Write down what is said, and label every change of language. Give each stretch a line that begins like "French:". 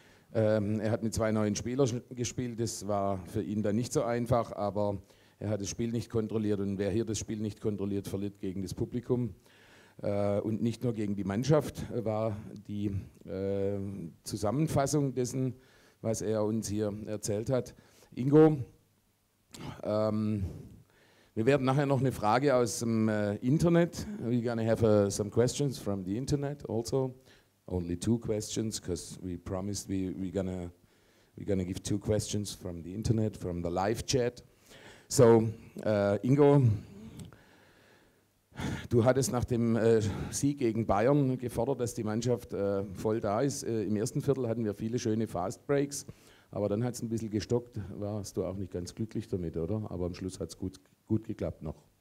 German: Er hat mit zwei neuen Spielern gespielt, das war für ihn dann nicht so einfach, aber er hat das Spiel nicht kontrolliert und wer hier das Spiel nicht kontrolliert, verliert gegen das Publikum. Und nicht nur gegen die Mannschaft war die Zusammenfassung dessen, was er uns hier erzählt hat. Ingo, wir werden nachher noch eine Frage aus dem Internet.
English: We're gonna have some questions from the internet also. Only two questions, because we promised we're gonna give two questions from the internet, from the live chat.
German: So, Ingo, du hattest nach dem Sieg gegen Bayern gefordert, dass die Mannschaft voll da ist. Im ersten Viertel hatten wir viele schöne Fast Breaks, aber dann hat es ein bisschen gestockt. Warst du auch nicht ganz glücklich damit, oder? Aber am Schluss hat es gut geklappt noch.